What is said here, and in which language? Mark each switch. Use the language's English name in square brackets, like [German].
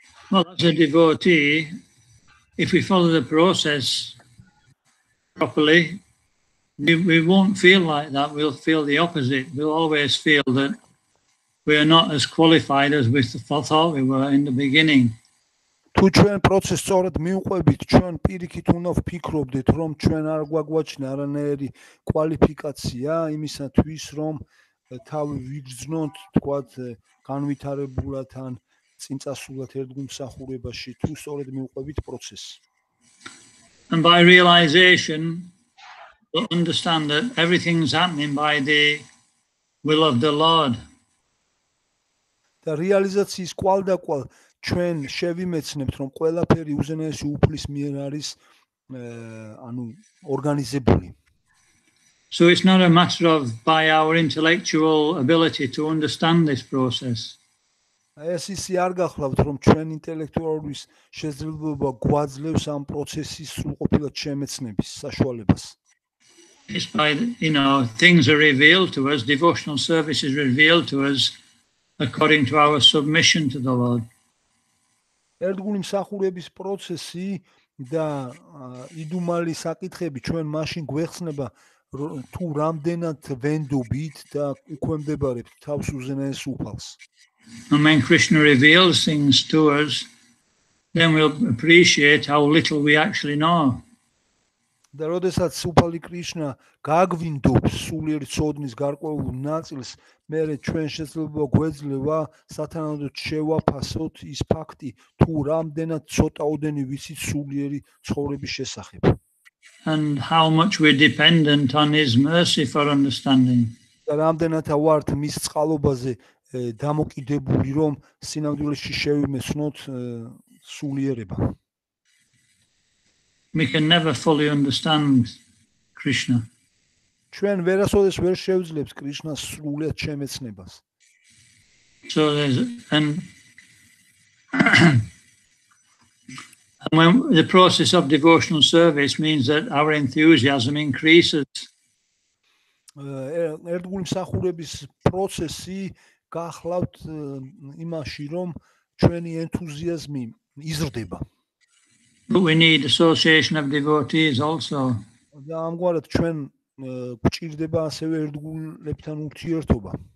[English] Well, as a devotee, if we follow the process properly, we won't feel like that. We'll feel the opposite. We'll always feel that we are not as qualified as we thought we were in the beginning. [Georgian] თუ ჩვენ პროცესს სწორად მიუყვებით, ჩვენ პირიქით უნდა ვფიქრობდეთ, რომ ჩვენ არ გვაგვაჩნია არანაირი კვალიფიკაცია იმისათვის, რომ თავი ვიგრძნოთ, თქვათ, განვითარებულად ან წინწასულად ერთგულსახურებაში, თუ სწორად მიუყვებით პროცესს. [English] And by realization, we understand that everything's happening by the will of the Lord. [Georgian] და რეალიზაციის კვალდაკვალ ჩვენ შევიმეცნებთ, რომ ყველაფერი უზენაესი უფლის მიერ არის ანუ ორგანიზებული. [English] So it's not a matter of by our intellectual ability to understand this process. [Georgian] ეს ის არ გახლავთ, რომ ჩვენ ინტელექტუალური შესაძლებლობა გვაძლევს ამ პროცესის სრულყოფილად შემეცნების საშუალებას. [English] It's by, you know, things are revealed to us, devotional services revealed to us according to our submission to the Lord. [Georgian] ერთგული მსახურების პროცესი და იდუმალი საკითხები ჩვენ მაშინ გვეხსნება, თუ რამდენად ვენდობით და უქვემდებარებთ თავს უზენაეს უფალს. [English] When Krishna reveals things to us, then we'll appreciate how little we actually know. [Georgian] და როდესაც უფალი კრიშნა გაგვინდობს სულიერ ცოდნის გარკვეულ ნაწილს, მერე ჩვენ შესაძლებლობა გვეძლევა სათანადოდ შევაფასოთ ის ფაქტი, თუ რამდენად ცოტაოდენი ვიცით სულიერი ცხოვრების შესახებ. [English] And how much we dependent on his mercy for understanding. [Georgian] და რამდენად ვართ მის წყალობაზე დამოკიდებული, რომ სინამდვილეში შევიმეცნოთ სულიერება. [English] we can never fully understand Krishna. [Georgian] ჩვენ ვერასოდეს ვერ შევძლებთ კრიშნას სრულად შემეცნებას. [English] So and when the process of devotional service means that our enthusiasm increases. [Georgian] ერთგულ მსახურების პროცესი გახლავთ იმაში, რომ ჩვენი ენთუზიაზმი იზრდება. [English] But we need association of devotees also. [Georgian] და ამგვარად ჩვენ გვჭირდება ასევე ერთგულებთან ურთიერთობა.